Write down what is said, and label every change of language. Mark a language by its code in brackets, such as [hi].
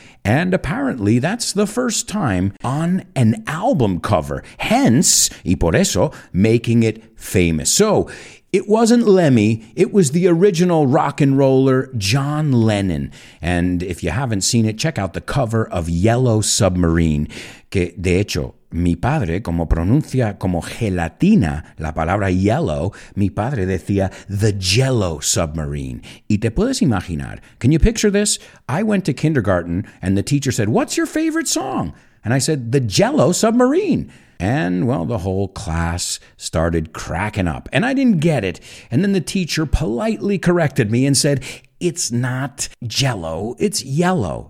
[en] And apparently, that's the first time on an album cover, hence, [es] y por eso, [en] making it famous. So, it wasn't Lemmy, it was the original rock and roller, John Lennon. And if you haven't seen it, check out the cover of Yellow Submarine. [es] Que, de hecho, mi padre, como pronuncia como gelatina la palabra yellow, mi padre decía [en] the Jello Submarine. [es] Y te puedes imaginar, [en] can you picture this? I went to kindergarten and the teacher said, what's your favorite song? And I said, the Jello Submarine. And, well, the whole class started cracking up. And I didn't get it. And then the teacher politely corrected me and said, it's not Jello, it's yellow.